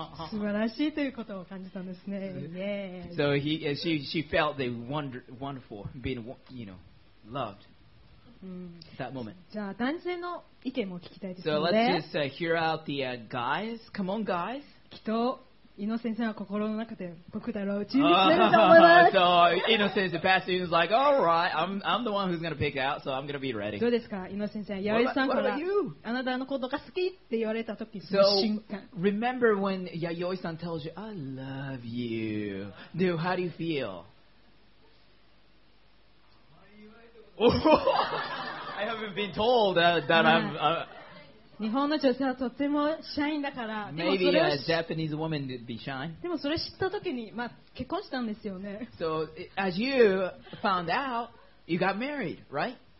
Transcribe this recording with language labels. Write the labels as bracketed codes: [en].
[ja] 素晴らしいということを感じたんですね。 [en] So she felt the wonderful being, you know, loved. That moment. [ja] じゃあ男性の意見も聞きたいです [en] ので。So let's just hear out the guys. Come on, guys. [ja] きっと伊野先生は心の中で僕だろう準備してると思います。 [en] So 伊野先生、Pastor Yun's like, all right, I'm the one who's gonna pick out, so I'm gonna be ready. [ja] どうですか、伊野先生、八重さんからあなたのことが好きって言われた時、その瞬間。 [en] So remember when 八重さん tells you, I love you. Do how do you feel? I haven't been told that I'm. [ja] 日本の女性はとてもシャインだから。 [en] Maybe a Japanese woman would be shy. [ja] でもそれ知った時に、まあ結婚したんですよね。 [en] So as you found out, you got married, right?